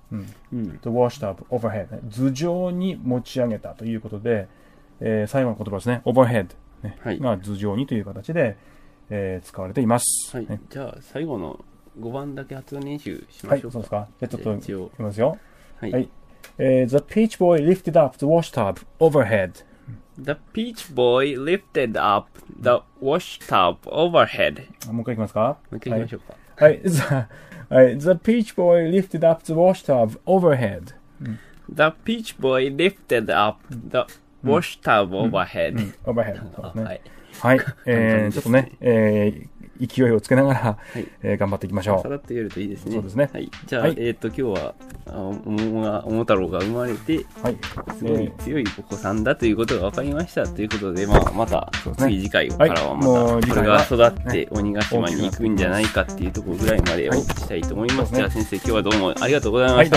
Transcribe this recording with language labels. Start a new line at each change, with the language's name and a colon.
English: The washtub overhead.
Japanese: 頭上に持ち上げたということで、最後の言葉ですね。
English: Overhead、ね。
Japanese: はい、が頭上にという形で、使われています。はい、ね、じゃあ、最後の5番だけ発音練習しましょうか。はい、そうですか。ちょっと、いきますよ。はい。はい、
English: The Peach Boy lifted up the washtub overhead. The Peach Boy lifted up the washtub overhead.
Japanese: もう一回いきますか。もう一回いきましょうか。はい。はい。 The Peach Boy lifted up the washtub overhead. The Peach Boy lifted up the washtub overhead.
English: Overhead.
Japanese: はい。はい。ちょっとね。勢いをつけながら、はい、頑張っていきましょう。さらっと言えるといいですね。そうですね。はい、じゃあ、はい、今日は桃太郎が生まれて、はい、すごい強いお子さんだということが分かりましたということで、まあ、また次次回からはまたこれが育って鬼ヶ島に行くんじゃないかっていうところぐらいまでをしたいと思います。はい、じゃあ先生、今日はどうもありがとうございました。